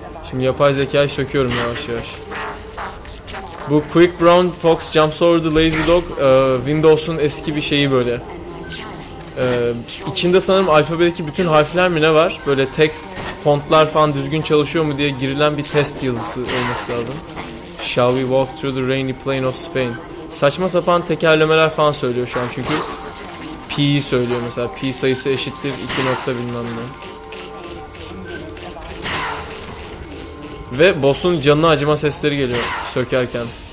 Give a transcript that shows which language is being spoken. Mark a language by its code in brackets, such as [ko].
[tr] Şimdi yapay zekayı söküyorum yavaş yavaş. Bu [en] Quick Brown Fox Jumps Over the Lazy Dog, [tr] Windows'un eski bir şeyi böyle. İçinde sanırım alfabedeki bütün harfler mi ne var? Böyle text, fontlar falan düzgün çalışıyor mu diye girilen bir test yazısı olması lazım. [en] Shall we walk through the rainy plain of Spain? [tr] Saçma sapan tekerlemeler falan söylüyor şu an çünkü. Pi'yi söylüyor mesela. Pi sayısı eşittir 2 nokta bilmem ne. Ve boss'un canına acıma sesleri geliyor sökerken.